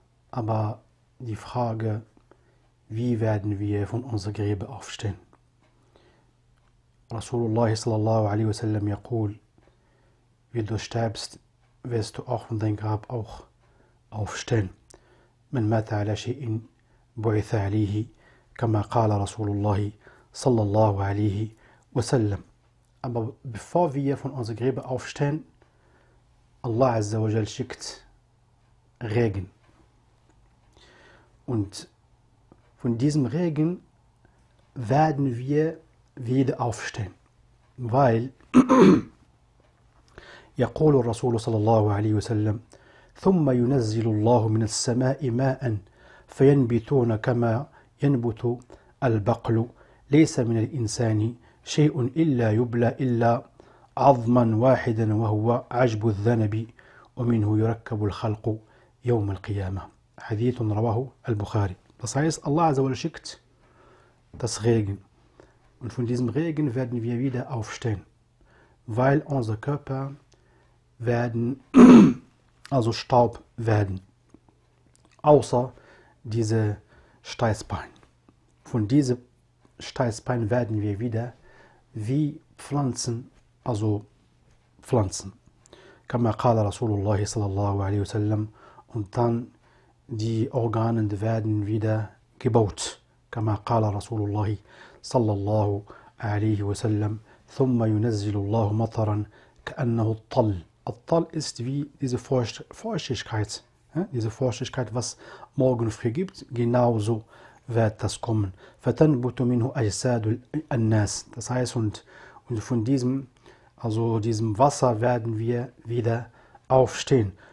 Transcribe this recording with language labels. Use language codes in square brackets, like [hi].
[de] Aber die Frage: Wie werden wir von unserer Gräber aufstehen? [ar] رسول الله صلى الله عليه وسلم يقول: [de] Wie du stirbst, wirst du auch von deinem Grab auch aufstehen. [ar] من مات على شيء بعث عليه كما قال رسول الله صلى الله عليه وسلم. [de] Aber bevor wir von unserer Gräber aufstehen, Allah عز وجل schickt Regen. Und von diesem Regen werden wir wieder aufstehen. [ar] Weil, يقول الرسول صلى الله عليه وسلم: ثم ينزل الله من السماء ماء فينبتون كما ينبت البقل ليس من الإنسان شيء إلا يبلى إلا عظما واحدا وهو عجب الذنب ومنه يركب الخلق يوم القيامة. حديث رواه البخاري. [de] Das heißt, Allah Azzawajal schickt das Regen. Und von diesem Regen werden wir wieder aufstehen, weil unser Körper werden also Staub werden, außer diese Steißbein. Von diesem Steißbein werden wir wieder wie Pflanzen, also Pflanzen. [ar] كما قال رسول الله صلى الله عليه وسلم. [de] Und dann die Organe werden wieder gebaut. [ar] كما قال رسول الله صلى الله عليه وسلم. ثم ينزل الله مطرا كأنه الطل. [de] الطل ist wie diese Feuchtigkeit. Diese Feuchtigkeit, was morgen früh gibt, genauso wird das kommen. [ar] فتنبت منه أجساد الناس. [de] Das heißt, und von diesem, diesem Wasser werden wir wieder aufstehen.